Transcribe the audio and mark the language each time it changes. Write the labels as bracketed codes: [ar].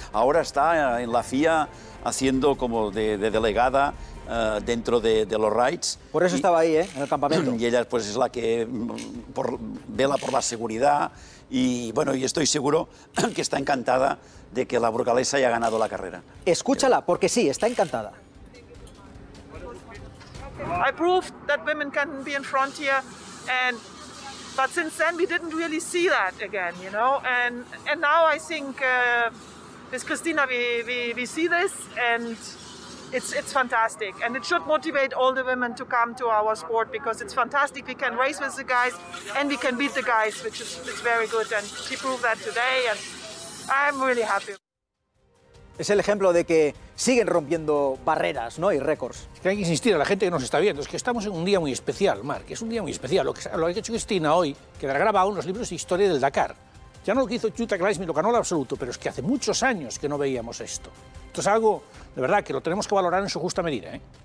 [es] Ahora está en la FIA haciendo como de delegada dentro de los rides. Por eso estaba ahí, en el campamento. Y ella pues es la que vela por la seguridad y bueno, y estoy seguro que está encantada de que la burgalesa haya ganado la carrera. Escúchala, porque sí, está encantada. [en] I proved that women can be in Frontier, and but since then we didn't really see that again, you know. And now I think with Cristina we see this, and it's fantastic, and it should motivate all the women to come to our sport because it's fantastic. We can race with the guys, and we can beat the guys, which is it's very good, and she proved that today, and I'm really happy. [es] Es el ejemplo de que siguen rompiendo barreras, ¿no? Y récords. Es que hay que insistir a la gente que nos está viendo. Es que estamos en un día muy especial, Marc. Es un día muy especial. Lo que ha hecho Cristina hoy, que ha grabado unos libros de historia del Dakar. Ya no lo que hizo Jutta Kleinschmidt, lo ganó el absoluto, pero es que hace muchos años que no veíamos esto. Esto es algo, de verdad, que lo tenemos que valorar en su justa medida, ¿eh?